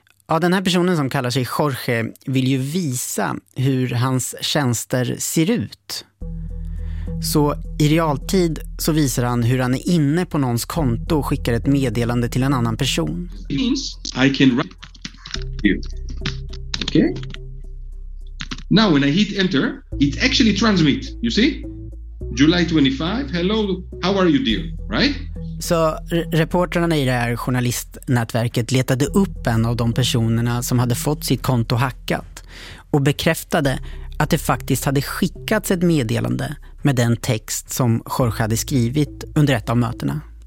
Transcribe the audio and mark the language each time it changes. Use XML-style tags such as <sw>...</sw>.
<sv>Ja, den här personen som kallar sig Jorge vill ju visa hur hans tjänster ser ut. Så i realtid så visar han hur han är inne på någons konto och skickar ett meddelande till en annan person.</sv> <en>I can write you. Okay. Now when I hit enter, it actually transmit, you see? July 25, hello, how are you dear, right?</en> <sv>Så reporterna i det här journalistnätverket letade upp en av de personerna som hade fått sitt konto hackat och bekräftade att det faktiskt hade skickats ett meddelande med den text som Jorge hade skrivit under ett av mötena.</sv>